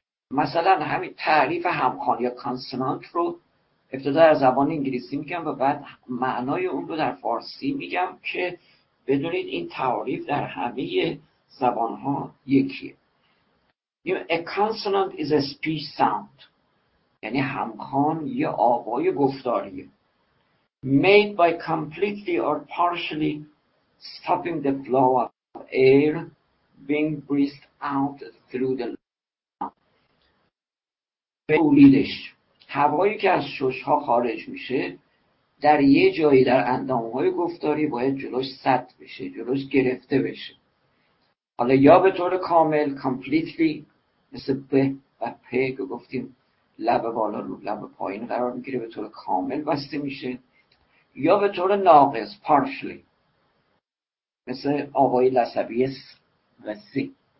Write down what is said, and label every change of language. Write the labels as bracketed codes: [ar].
[fa] مثلا همین تعریف همخوان یا کانسونانت رو ابتدا در زبان انگلیسی میگم و بعد معنای اون رو در فارسی میگم، که بدونید این تعریف در همه زبان ها یکیه. [en] A consonant is a speech sound. [fa] یعنی همخوان یه آوای گفتاریه. [en] Made by completely or partially stopping the flow of air being breathed out through the lungs. [fa] هوایی که از ششها خارج میشه در یه جایی در اندامهای گفتاری باید جلوش سد بشه، جلوش گرفته بشه. حالا یا به طور کامل completely مثل به و په که گفتیم لب بالا رو لب پایین قرار میگیره به طور کامل بسته میشه، یا به طور ناقص partially مثل آوای لسبی س و سی.